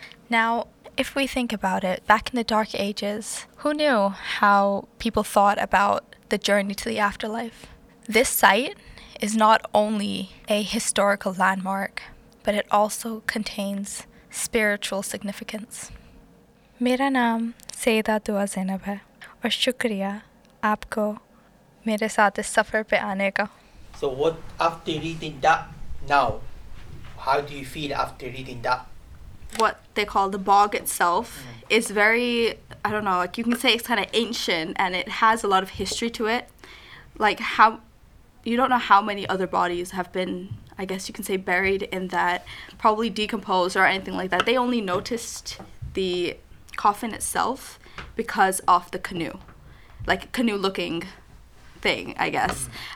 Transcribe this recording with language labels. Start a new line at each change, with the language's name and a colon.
English: Now, if we think about it, back in the Dark Ages, who knew how people thought about the journey to the afterlife? This site is not only a historical landmark, but it also contains spiritual significance.
Urdu: میرا نام سیدہ دعا زینب ہے، اور شکریہ آپکو میرے ساتھ اس سفر پہ آنے کا۔
English: So what, after reading that now, how do you feel after reading that? What they call the bog itself is very, I don't know, like you can say it's kind of ancient and it has a lot of history to it. Like how, you don't know how many other bodies have been, I guess you can say, buried in that, probably decomposed or anything like that. They only noticed the coffin itself because of the canoe, like canoe looking thing, I guess.